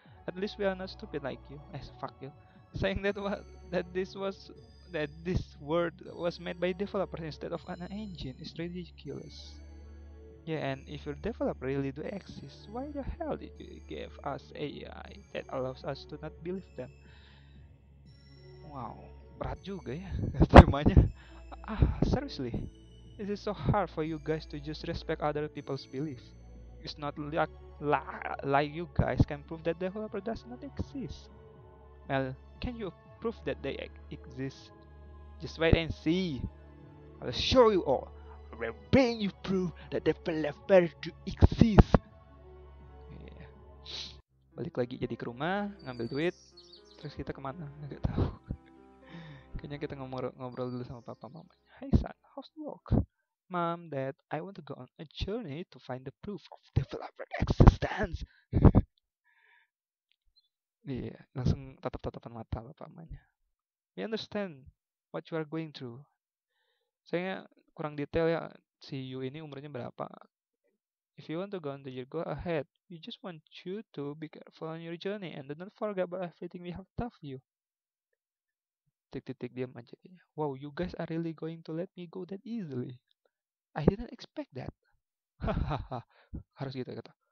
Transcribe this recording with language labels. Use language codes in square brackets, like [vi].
[en] At least we are not stupid like you. As fuck you. Saying that that this word was made by developers instead of an engine is ridiculous. Yeah, and if your developer really do exist, why the hell did you give us AI that allows us to not believe them? [id] Wow, berat juga ya temanya. [en] Ah, seriously, is it so hard for you guys to just respect other people's beliefs? It's not like you guys can prove that developer does not exist. Well, can you prove that they exist? Just wait and see. I'll show you all. When you prove that developer do exist. Yeah. [id] Balik lagi jadi ke rumah, ngambil duit. Terus kita kemana? Gak tahu. Kayaknya kita ngobrol dulu sama papa mama. [en] Hey son, how's the work? [id] Mom, dad, I want to go on a journey to find the proof of developer existence. [en] Yeah, [id] langsung tatap-tatapan mata papa mamanya. [en] We understand what you are going through. [id] Sayangnya kurang detail ya, si Yu ini umurnya berapa. [en] If you want to go on the journey, go ahead. We just want you to be careful on your journey and don't forget about everything we have taught you. [id] Tik-tik-tik, diam aja. [en] Wow, you guys are really going to let me go that easily. I didn't expect that. Hahaha. [id] Harus gitu ya, kata.